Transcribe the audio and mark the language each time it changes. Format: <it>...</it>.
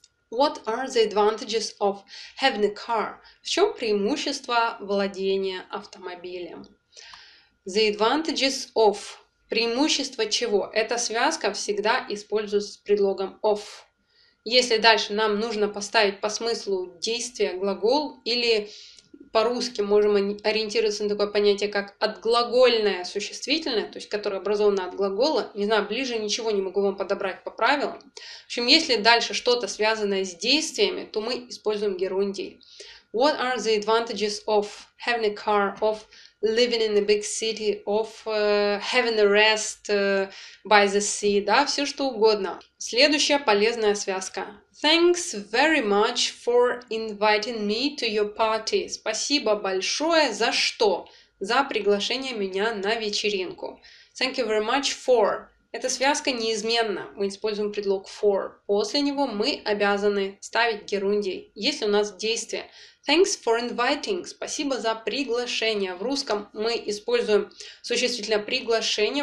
<en>What are the advantages of having a car?</en> <ru>В чем преимущество владения автомобилем?</ru> <en>The advantages of.</en> <ru>Преимущество чего? Эта связка всегда используется с предлогом of. Если дальше нам нужно поставить по смыслу действие, глагол, или по-русски можем ориентироваться на такое понятие, как отглагольное существительное, то есть которое образовано от глагола. Не знаю, ближе ничего не могу вам подобрать по правилам. В общем, если дальше что-то связанное с действиями, то мы используем герундий.</ru> <en>What are the advantages of having a car, of living in a big city, of having a rest by the sea,</en> <ru>да, все что угодно. Следующая полезная связка.</ru> <en>Thanks very much for inviting me to your party.</en> <ru>Спасибо большое за что? За приглашение меня на вечеринку.</ru> <en>Thank you very much for.</en> <ru>Эта связка неизменна. Мы используем предлог for. После него мы обязаны ставить герундий, если у нас действие.</ru> <en>Thanks for inviting.</en> <ru>Спасибо за приглашение. В русском мы используем существительное приглашение.</ru>